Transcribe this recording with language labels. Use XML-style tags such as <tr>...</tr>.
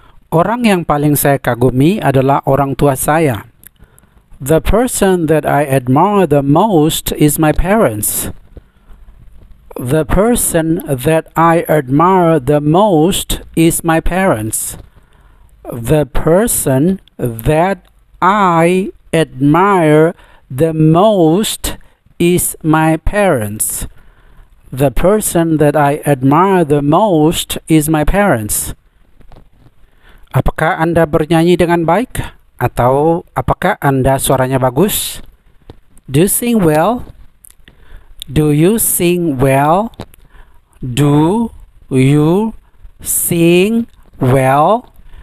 <id>Orang yang paling saya kagumi adalah orang tua saya.</id> <en>The person that I admire the most is my parents. The person that I admire the most is my parents. The person that I admire the most is my parents. The person that I admire the most is my parents.</en> <id>Apakah Anda bernyanyi dengan baik? Atau apakah Anda suaranya bagus?</id> <en>Do you sing well? Do you sing well? Do you sing well?</en>